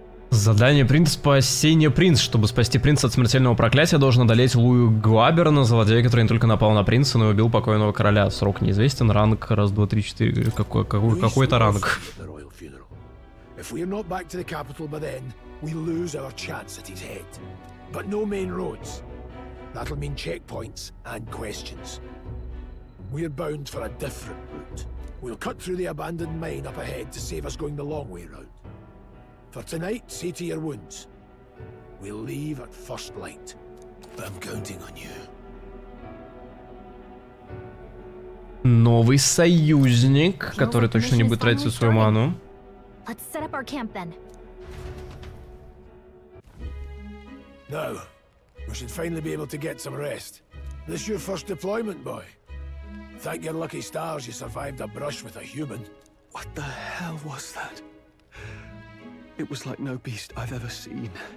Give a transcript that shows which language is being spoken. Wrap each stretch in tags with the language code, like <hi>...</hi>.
<ru>Задание принц спасение принц. Чтобы спасти принца от смертельного проклятия, должен одолеть Луи Гуаберна, злодея, который не только напал на принца, но и убил покойного короля. Срок неизвестен, ранг 1, 2, 3, 4. Какой-то ранг.</ru> <en>If we are not back to the capital by then, we lose our chance at his head. But no main roads. That'll mean checkpoints and questions. We're bound for a different route. We'll cut through the abandoned mine up ahead to save us going the long way round. For tonight, see to your wounds. We'll leave at first light. But I'm counting on you.</en> <ru>Новый союзник, который точно не будет тратить свою ману.</ru> <en>Let's set up our camp then. Now, we should finally be able to get some rest. This your first deployment, boy? Thank your lucky stars you survived a brush with a human. What the hell was that? It was like no beast I've ever seen.</en>